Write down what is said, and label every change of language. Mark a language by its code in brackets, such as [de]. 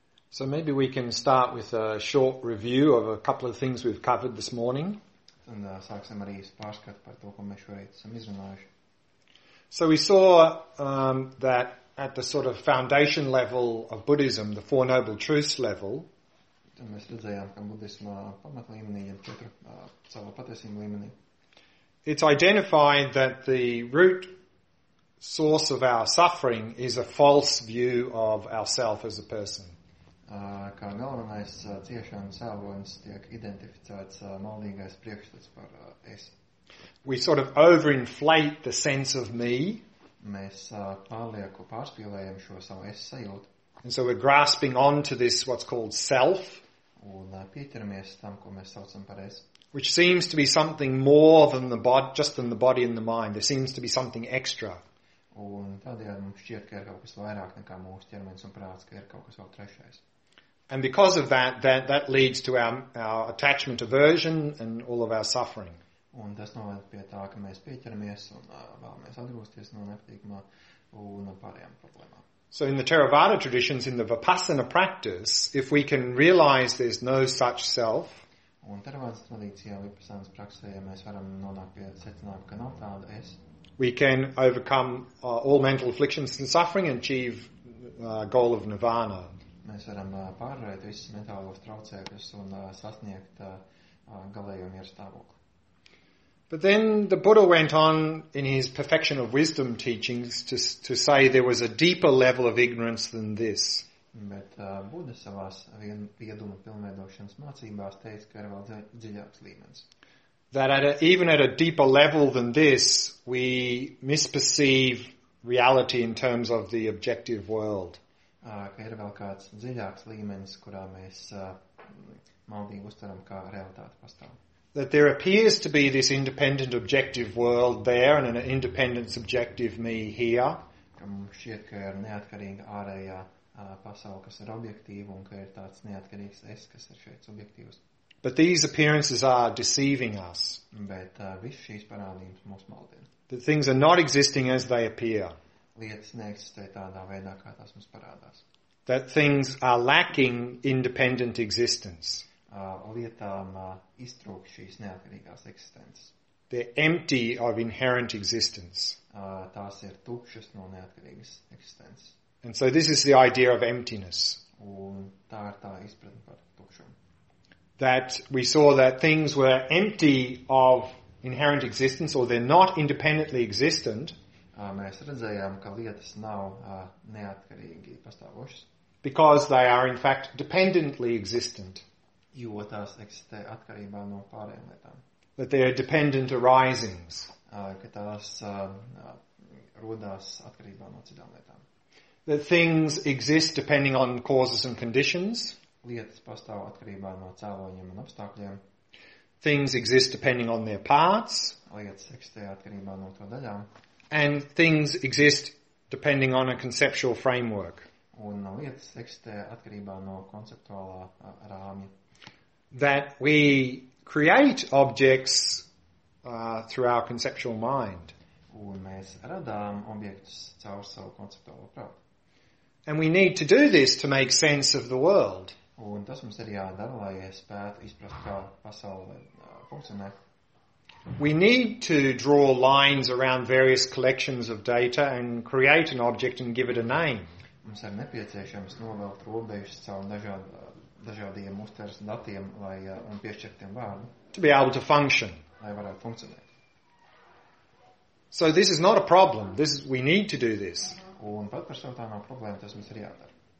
[en] So maybe we can start with a short review of a couple of things we've covered this morning. [lv] Un sāksim arī pārskat par to, ko mēs šoreiz esam izrunājuši. [en] So we saw that at the sort of foundation level of Buddhism, the Four Noble Truths level, [lv] un mēs redzējām, ka budisma pamatlīmenī ir četru savu patiesību līmenī. [en] It's identified that the root source of our suffering is a false view of ourself as a person. [lv] Kā galvenais ciešanas cēlonis tiek identificēts maldīgais priekšstats par es. [en] We sort of overinflate the sense of me. [lv] Mēs pārlieku pārspīlējam šo savu es sajūtu. [en] And so we're grasping on to this what's called self. [lv] Un pieķeramies tam, ko mēs saucam par es. [en] Which seems to be something more than the body, just than the body and the mind. There seems to be something extra. [lv] Un tādēļ mums šķiet, ka ir kaut kas vairāk nekā mūsu ķermenis un prāts, ka ir kaut kas vēl trešais. [en] And because of that leads to our attachment aversion and all of our suffering. [lv] Un tas noved pie tā, ka mēs pieķeramies un vēlamies atgūsties no nepatīkamā un pārējām problēmām. [en] So in the Theravada traditions, in the Vipassana practice, if we can realize there's no such self, [lv] un Theravādas tradīcijā, Vipassanas praksē, ja mēs varam nonākt pie secinājuma, ka nav tāda es, [en] we can overcome all mental afflictions and suffering and achieve the goal of nirvana. [lv] Mēs varam pārvarēt visus mentālos traucēkļus un sasniegt galējo mieru stāvokli. [en] But then the Buddha went on in his perfection of wisdom teachings to say there was a deeper level of ignorance than this. [lv] Bet Buddha savās vieduma pilnveidošanas mācībās teica, ka ir vēl dziļāks līmenis. [en] That even at a deeper level than this, we misperceive reality in terms of the objective world. [lv] Ka ir vēl kāds dziļāks līmenis, kurā mēs maldīgi uztveram, kā realitāte pastāv. [en] That there appears to be this independent objective world there and an independent subjective me here. [lv] Ka mums šķiet, ka ir neatkarīga ārējā pasaule, kas ir objektīva, un ka ir tāds neatkarīgs es, kas ir šeit subjektīvs. [en] But these appearances are deceiving us. [lv] Bet viss šīs parādības mūs maldina. [en] That things are not existing as they appear. [lv] Lietas neeksistē tādā veidā, kā tās mums parādās. [en] That things are lacking independent existence. [lv] Lietām iztrūk šīs neatkarīgās eksistences. [en] They're empty of inherent existence. [lv] Tās ir tukšas no neatkarīgas eksistences. [en] And so this is the idea of emptiness. [lv] Un tā ir tā izpratne par tukšumu. [en] That we saw that things were empty of inherent existence, or they're not independently existent. [lv] Mēs redzējām, ka lietas nav neatkarīgi pastāvošas. [en] Because they are in fact dependently existent. [lv] Jo tās eksistē atkarībā no pārējām lietām. [en] That they are dependent arisings. [lv] Ka tās rodās atkarībā no citām lietām. [en] That things exist depending on causes and conditions. [lv] Lietas pastāv atkarībā no cēloņiem un apstākļiem. [en] Things exist depending on their parts. [lv] Lietas eksistē atkarībā no to daļām. [en] And things exist depending on a conceptual framework. [lv] Un lietas eksistē atkarībā no konceptuālā rāmja. [en] That we create objects through our conceptual mind. [lv] Un mēs radām objektus caur savu konceptuālo prātu. [en] And we need to do this to make sense of the world. [lv] Un tas mums ir jādara, lai spētu izprast, kā pasaule funkcionē. [en] We need to draw lines around various collections of data and create an object and give it a name. [lv] Mums ir nepieciešams novelkt robežas caur dažādiem uzteres datiem lai, un piešķirt tiem vārdu. [en] To be able to function. [lv] Lai varētu funkcionēt. [en] So this is not a problem. We need to do this. [lv] Un pat par sev tā nav problēma, tas mums ir jādara.